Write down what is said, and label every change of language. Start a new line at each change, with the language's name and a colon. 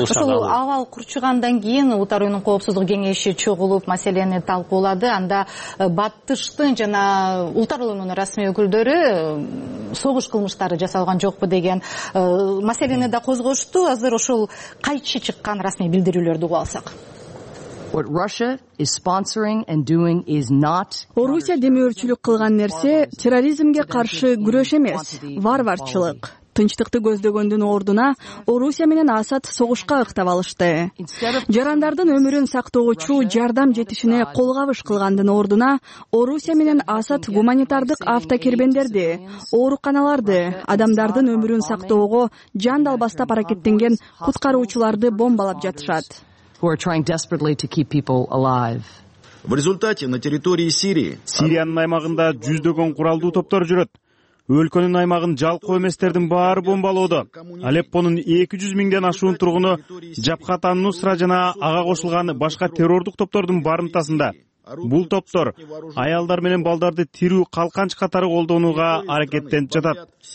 Kyrgyz: Ошол абал курчугандан кийин улуттар уюмунун коопсуздук кеңеши кеше чогулуп маселени талкуулады. Анда батыштын жана улутарлуунун расмий өкүлдөрү согуш кылмыштары жасалган жокпу деген маселени да козгошту. Азыр ошол кайчы чыккан расмий билдирүүлөрдү угуп алсак.
English: What Russia is sponsoring and doing is not.
Kyrgyz: Орусия демөөрчүлүк кылган нерсе терроризмге каршы күрөш эмес, варварчылык. Тынчтыкты көздөгөндүн ордуна Орусия менен Асад согушка ыктап алышты. Жарандардын өмүрүн сактоочу жардам жетишине кол кабыш кылгандын ордуна Орусия менен Асад гуманитардык автокербендерди, ооруканаларды, адамдардын өмүрүн сактоого жандал бастап аракеттенген куткаруучуларды бомбалап жатышат.
English: Who are trying desperately to keep people alive.
Russian: В результате на территории Сирии,
Kyrgyz: Сириянын аймагында жүздөгөн куралдуу топтор жүрөт. Өлкөнүн аймагын жалкоо эместердин баары бомбалоодо. Алеппонун 200 миңден ашуун тургуну Жабхат ан-Нусра жана ага кошулган башка террордук топтордун барымтасында. Бул топтор аялдар менен балдарды тирүү калканч катары колдонууга аракеттенип жатат.